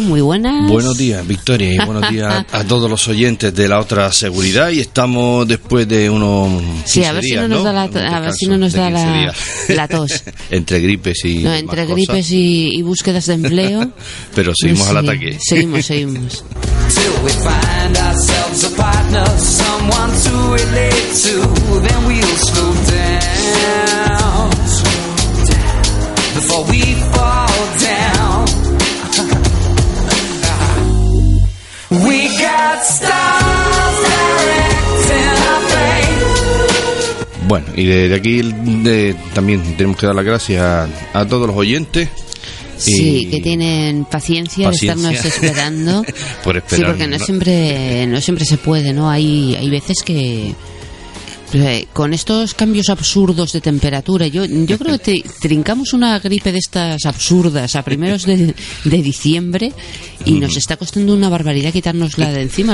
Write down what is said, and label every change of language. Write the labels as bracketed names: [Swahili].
[Spanish] Muy buenas. Buenos días, Victoria, y buenos días a todos los oyentes de La Otra Seguridad. Y estamos después de unos 15 días, ¿no? Sí, a ver si no nos da la, la tos. Entre gripes y no, entre gripes y búsquedas de empleo. Pero seguimos al ataque. Seguimos, seguimos. [English] Till we find ourselves a partner, someone to relate to, then we'll slow down. Before we fall down, we got stars directing our fate. [Spanish] Bueno, y desde aquí también tenemos que dar las gracias a todos los oyentes. Sí, que tienen paciencia de estarnos esperando. Por esperar. Sí, porque no siempre se puede, ¿no? Hay veces que con estos cambios absurdos de temperatura, yo creo que trincamos una gripe de estas absurdas a primeros de diciembre y nos está costando una barbaridad quitárnosla de encima.